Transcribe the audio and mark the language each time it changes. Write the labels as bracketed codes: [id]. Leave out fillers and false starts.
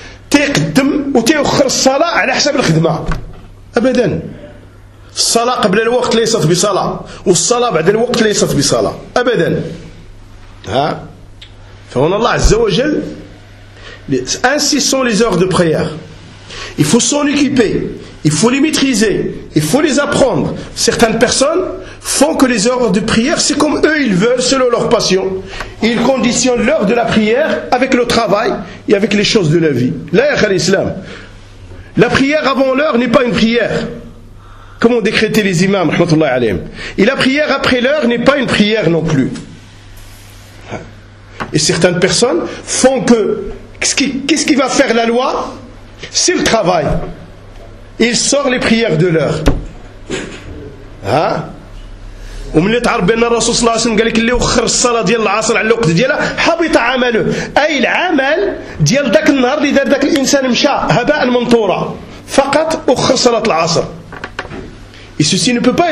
[ar] تيقدم وتيؤخر الصلاة على حسب الخدمة ابدا الصلاة قبل الوقت ليست بصلاة والصلاة بعد الوقت ليست بصلاة أبدا ها فهنا الله عز وجل [fr] انسي سون لي زور دو بريير Il faut s'en occuper, il faut les maîtriser, il faut les apprendre. Certaines personnes font que les heures de prière, c'est comme eux ils veulent, selon leur passion. Ils conditionnent l'heure de la prière avec le travail et avec les choses de la vie. La yakhal islam. La prière avant l'heure n'est pas une prière. Comme ont décrété les imams, [ar] rahmatullahi alayhim. [fr] Et la prière après l'heure n'est pas une prière non plus. Et certaines personnes font que... Qu'est-ce qui va faire la loi ? C'est le travail. Il sort les prières de l'heure. Hein ? [ar] ومن يتعرف بأن الرسول صلى الله عليه وسلم قال لك اللي وخر الصلاة ديال العصر على الوقت ديالها حبط عمله أي العمل ديال ذاك النهار اللي دار ذاك الإنسان مشى هباء منثورا فقط أخر صلاة العصر. [fr] Et ceci ne peut pas être